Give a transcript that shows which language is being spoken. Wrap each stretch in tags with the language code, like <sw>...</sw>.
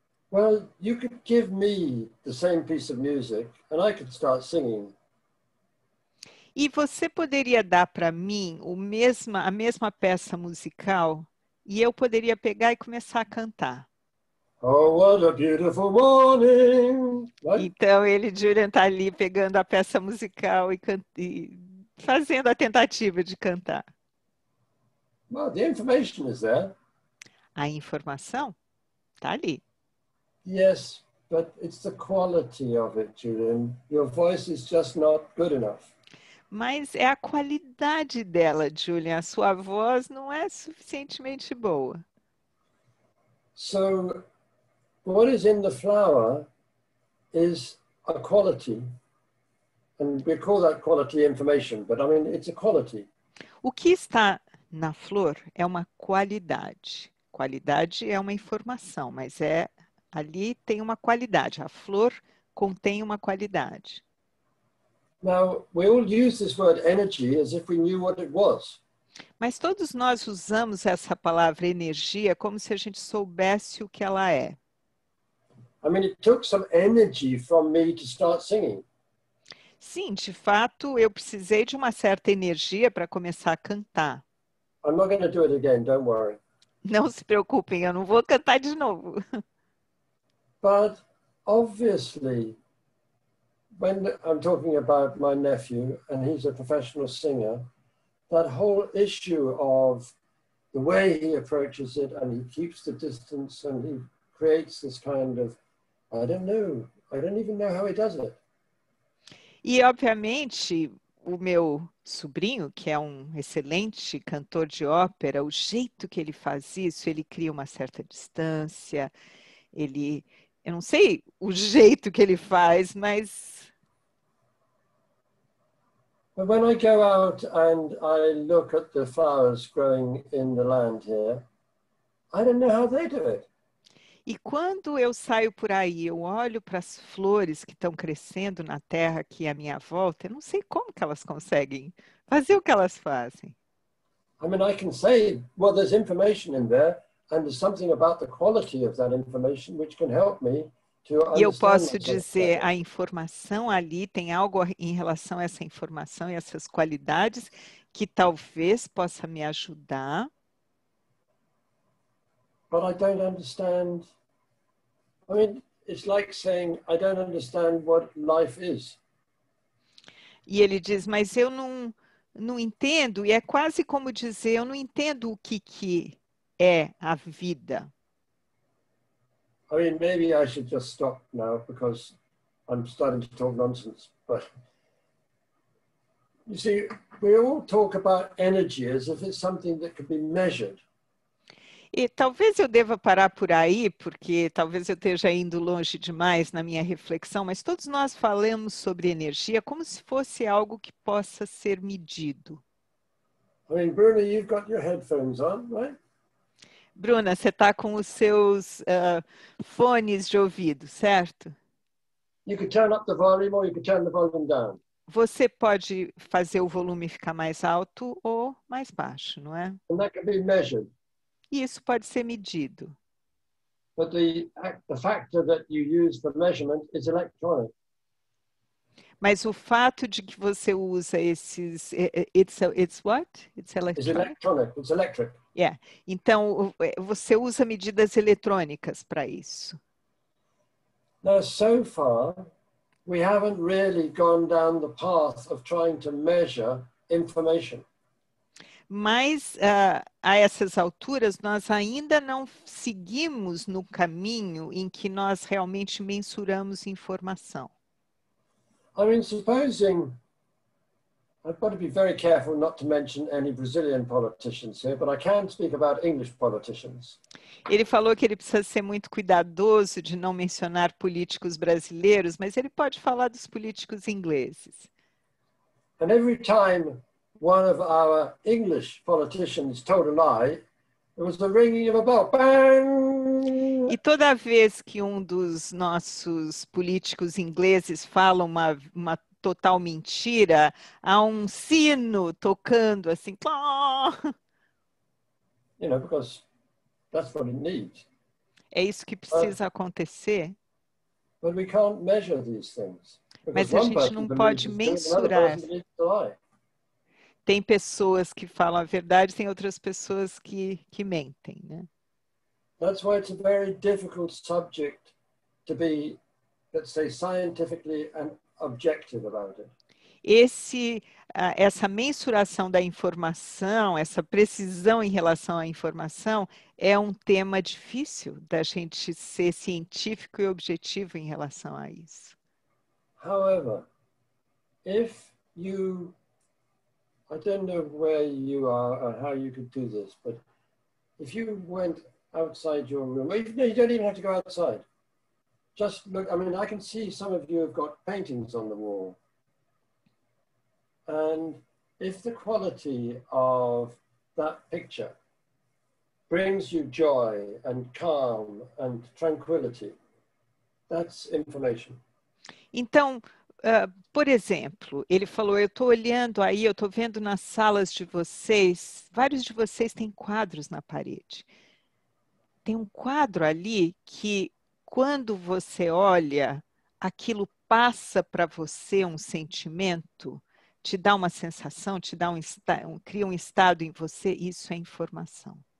<en>Well, you could give me the same piece of music and I could start singing.</en> <pt>E você poderia dar para mim a mesma peça musical e eu poderia pegar e começar a cantar.</pt> <en>Oh, what a beautiful morning. Right?</en> <pt>Então ele, Julian, tá ali pegando a peça musical e fazendo a tentativa de cantar.</pt> <en>Well, the information is there.</en> <pt>A informação? Tá ali.</pt> <en>Yes, but it's the quality of it, Julian. Your voice is just not good enough.</en> <pt>Mas é a qualidade dela, Julian. A sua voz não é suficientemente boa.</pt> <en>So, what is in the flower is a quality. And we call that quality information, but I mean, it's a quality.</en> <pt>O que está na flor é uma qualidade. Qualidade é uma informação, mas é ali tem uma qualidade. A flor contém uma qualidade.</pt> <en>Now, we all use this word energy as if we knew what it was.</en> <pt>Mas todos nós usamos essa palavra energia como se a gente soubesse o que ela é.</pt> <en>I mean, it took some energy from me to start singing.</en> <pt>Sim, de fato, eu precisei de uma certa energia para começar a cantar.</pt> <en>I'm not going to do it again, don't worry.</en> <pt>Não se preocupem, eu não vou cantar de novo.</pt> <en>But obviously, when I'm talking about my nephew, and he's a professional singer, that whole issue of the way he approaches it, and he keeps the distance, and he creates this kind of, I don't know, I don't even know how he does it.</en> <pt>E, obviamente, o meu sobrinho, que é um excelente cantor de ópera, o jeito que ele faz isso, ele cria uma certa distância, ele, eu não sei o jeito que ele faz, mas...</pt> <en>But when I go out and I look at the flowers growing in the land here, I don't know how they do it.</en> <pt>E quando eu saio por aí, eu olho para as flores que estão crescendo na terra aqui à minha volta, eu não sei como que elas conseguem fazer o que elas fazem.</pt> <en>I mean, I can say, well, there's information in there, and there's something about the quality of that information which can help me.</en> <pt>E eu posso dizer, a informação ali tem algo em relação a essa informação e essas qualidades que talvez possa me ajudar.</pt> <en>But I don't understand. I mean, it's like saying, I don't understand what life is.</en> <pt>E ele diz, mas eu não entendo, e é quase como dizer, eu não entendo o que é a vida.</pt> <en>I mean, maybe I should just stop now because I'm starting to talk nonsense. But you see, we all talk about energy as if it's something that can be measured.</en> <pt>E talvez eu deva parar por aí, porque talvez eu esteja indo longe demais na minha reflexão, mas todos nós falamos sobre energia como se fosse algo que possa ser medido.</pt> <en>I mean, Bruna, you've got your headphones on, right?</en> <pt>Bruna, você está com os seus fones de ouvido, certo?</pt> <en>You can turn up the volume or you can turn the volume down.</en> <pt>Você pode fazer o volume ficar mais alto ou mais baixo, não é?</pt> <en>And that can be measured.</en> <pt>E isso pode ser medido.</pt> <en>But the factor that you use for measurement is electronic.</en> <pt>Mas o fato de que você usa esses...</pt> <en>It's what? It's electronic. It's electronic. It's electric.</en> <pt>Yeah. Então, você usa medidas eletrônicas para isso.</pt> <en>Now, so far, we haven't really gone down the path of trying to measure information.</en> <pt>Mas, a essas alturas, nós ainda não seguimos no caminho em que nós realmente mensuramos informação.</pt> <en>I mean, supposing, I've got to be very careful not to mention any Brazilian politicians here, but I can speak about English politicians.</en> <pt>Ele falou que ele precisa ser muito cuidadoso de não mencionar políticos brasileiros, mas ele pode falar dos políticos ingleses.</pt> <en>And every time one of our English politicians told a lie, it was the ringing of a bell. Bang!</en> <pt>E toda vez que um dos nossos políticos ingleses fala uma total mentira, há um sino tocando assim.</pt> <en>You know, because that's what it needs.</en> <pt>É isso que precisa acontecer.</pt> <en>But we can't measure these things.</en> <pt>Mas a gente não pode mensurar. Tem pessoas que falam a verdade, tem outras pessoas que mentem, né?</pt> <en>That's why it's a very difficult subject to be, let's say, scientifically and objective about it.</en> <pt>essa mensuração da informação, essa precisão em relação à informação, é um tema difícil da gente ser científico e objetivo em relação a isso.</pt> <en>However, if you, I don't know where you are or how you could do this, but if you went outside your room, you don't even have to go outside. Just look, I mean, I can see some of you have got paintings on the wall. And if the quality of that picture brings you joy and calm and tranquility, that's information.</en> <pt>Então, por exemplo, ele falou, eu estou olhando aí, eu estou vendo nas salas de vocês, vários de vocês têm quadros na parede. Tem um quadro ali que quando você olha, aquilo passa para você um sentimento, te dá uma sensação, te dá cria um estado em você, isso é informação.</pt>